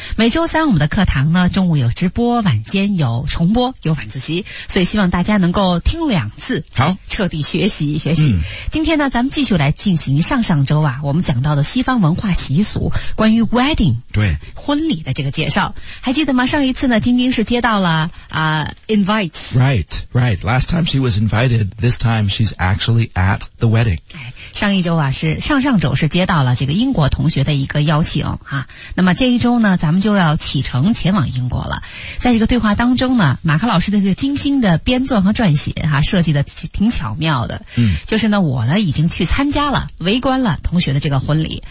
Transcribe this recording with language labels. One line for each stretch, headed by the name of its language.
Chinese: 每周三我们的课堂呢，中午有直播，晚间有重播，有晚自习，所以希望大家能够听两次，好，彻底学习学习。今天呢，咱们继续来进行上周啊，我们讲到的西方文化习俗，关于 wedding 对婚礼的这个介绍，还记得吗？上一次呢，晶晶。是接到了invites.
English: Right. Last time she was invited, this time she's actually at the wedding.
Chinese: 上一周啊，是上上周是接到了这个英国同学的一个邀请啊。那么这一周呢，咱们就要启程前往英国了。在这个对话当中呢，马克老师的这个精心的编纂和撰写啊，设计的挺巧妙的。就是呢，我呢已经去参加了，围观了同学的这个婚礼。